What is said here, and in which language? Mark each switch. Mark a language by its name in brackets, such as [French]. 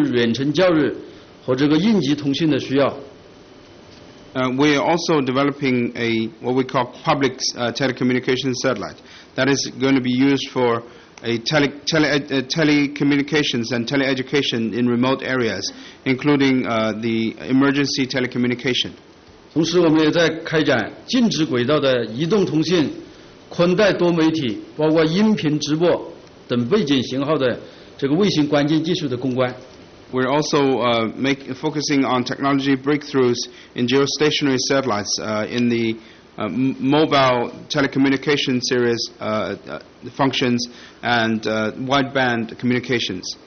[Chinese] 同时我们要研制一颗公益性的通信广播卫星，主要是用于远程教育和这个应急通信的需要。 [English] We are also developing a what we call public telecommunication satellite that is going to be used for telecommunications and tele-education in remote areas, including the emergency telecommunication. [Chinese] 同时我们也在开展禁止轨道的移动通信、宽带多媒体、包括音频直播等背景型号的这个卫星关键技术的攻关。 [English] We're also focusing on technology breakthroughs in geostationary satellites in the mobile telecommunication series functions and wideband communications.